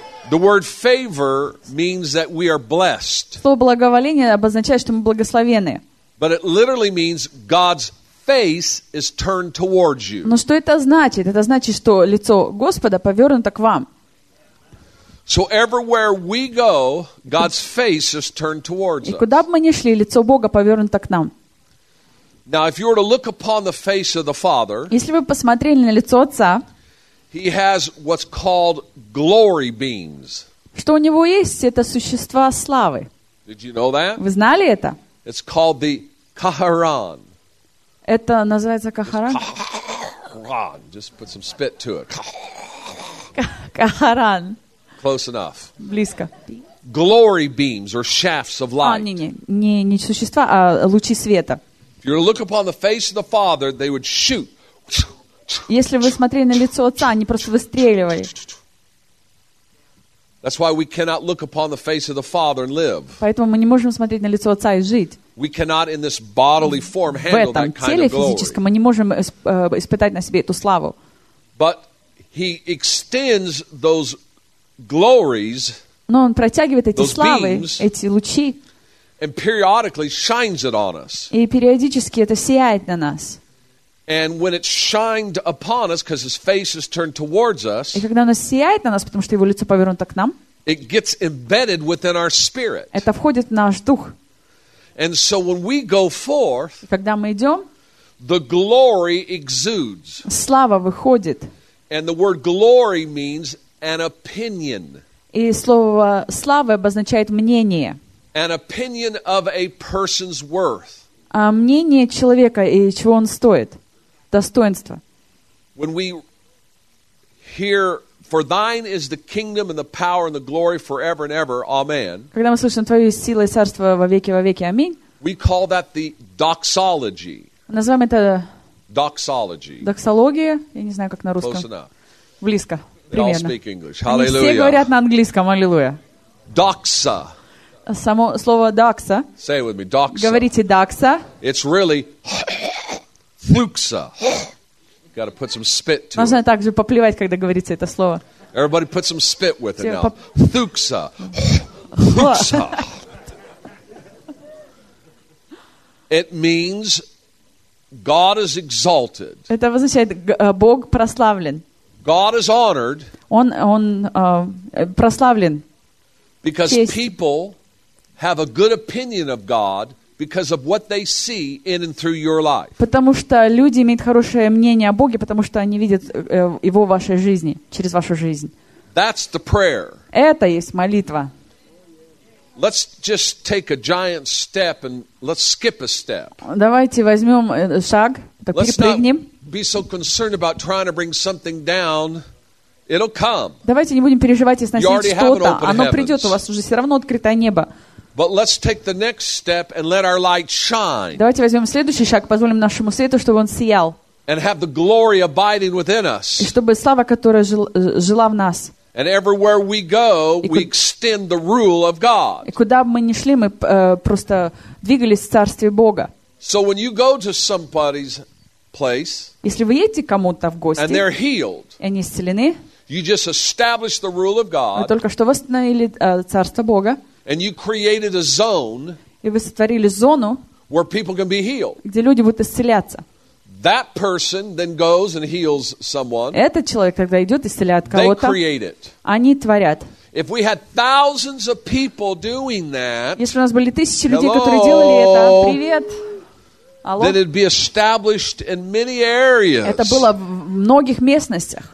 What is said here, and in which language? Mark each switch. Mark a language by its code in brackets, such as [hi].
[en] The word favor means that we are blessed. [ru] Слово благоволение обозначает, что мы благословены. [en] But it literally means God's face is turned towards you. [ru] Но что это значит? Это значит, что лицо Господа повернуто к вам. [en] So everywhere we go, God's face is turned towards us. [ru] И куда бы мы ни шли, лицо Бога повернуто к нам. [en] Now, if you were to look upon the face of the Father, [ru] если бы посмотрели на лицо Отца, [en] He has what's called glory beams. [ru] Что у него есть? Это существа славы. [en] Did you know that? [ru] Вы знали это? [en] It's called the Qahraan. [ru] Это называется Qahraan. [en] Qahraan. Just put some spit to it. Qahraan. Close enough. [ru] Близко. [en] Glory beams or shafts of light. [ru] Не существа, а лучи света. [en] If you were to look upon the face of the Father, they would shoot. [ru] Если вы смотрели на лицо Отца, они просто выстреливали. [en] That's why we cannot look upon the face of the Father and live. [ru] Поэтому мы не можем смотреть на лицо Отца и жить. [en] We cannot in this bodily form handle that kind of glory. [ru] В этом теле физическом мы не можем испытать на себе эту славу. [en] But He extends those glories. [ru] Но Он протягивает эти славы, эти лучи. [en] And periodically shines it on us. [ru] И периодически это сияет на нас. [en] And when it shined upon us, because His face is turned towards us, [ru] и когда оно сияет на нас, потому что Его лицо повернуто к нам, [en] it gets embedded within our spirit. [ru] Это входит в наш дух. [en] And so when we go forth, [ru] и когда мы идем, [en] the glory exudes. [ru] Слава выходит. [en] And the word glory means an opinion. [ru] И слово слава обозначает мнение. [en] An opinion of a person's worth. [ru] А мнение человека и чего он стоит. Достоинство. [en] When we hear, for thine is the kingdom and the power and the glory forever and ever, amen. [ru] Когда мы слышим, твое есть сила и царство во веки, аминь. [en] We call that the doxology. [ru] Называем это [en] doxology. [ru] Доксология. Я не знаю, как на русском. [en] Close enough. [ru] Близко. [en] They [ru] примерно. [en] All speak English. Hallelujah. [ru] Они все говорят на английском. Аллилуйя. [en] Doxa. [ru] Само слово doxa. [en] Say it with me. Doxa. [ru] Говорите doxa. [en] It's really... Fluxa. Got to put some spit to [ru] Можно Можно также поплевать, когда говорится это слово. [en] Everybody put some spit with it now. Fluxa. Fluxa. It means God is exalted. [ru] Это означает, Бог прославлен. [en] God is honored. [ru] Он прославлен. [en] Because people have a good opinion of God because of what they see in and through your life. [ru] Потому что люди имеют хорошее мнение о Боге, потому что они видят его в вашей жизни, через вашу жизнь. [en] That's the prayer. [ru] Это есть молитва. [en] Let's just take a giant step and let's skip a step. [ru] Давайте возьмём шаг, так перепрыгнем. [en] Be so concerned about trying to bring something down. It'll come. [ru] Давайте не будем переживать и сносить что-то. Оно придёт, у вас уже всё равно открытое небо. [en] But let's take the next step and let our light shine. [ru] Давайте возьмём следующий шаг, позволим нашему свету, чтобы он сиял. [en] And have the glory abiding within us. [ru] И чтобы слава, которая жила в нас. [en] And everywhere we go, we extend the rule of God. [ru] И куда бы мы ни шли, мы просто двигались в царстве Бога. [en] So when you go to somebody's place, [ru] если вы едете кому-то в гости, [en] and they're healed, [ru] и они исцелены, [en] you just establish the rule of God. [ru] Вы только что восстановили царство Бога. [en] And you created a zone, [ru] и вы сотворили зону, [en] where people can be healed, [ru] где люди будут исцеляться. [en] That person then goes and heals someone. [ru] Этот человек тогда идет исцеляет кого-то. [en] They create it. [ru] Они творят. [en] If we had thousands of people doing that, [ru] если у нас были тысячи людей, которые делали это, привет, алло, [en] then it'd be established in many areas. [ru] Это было в многих местностях.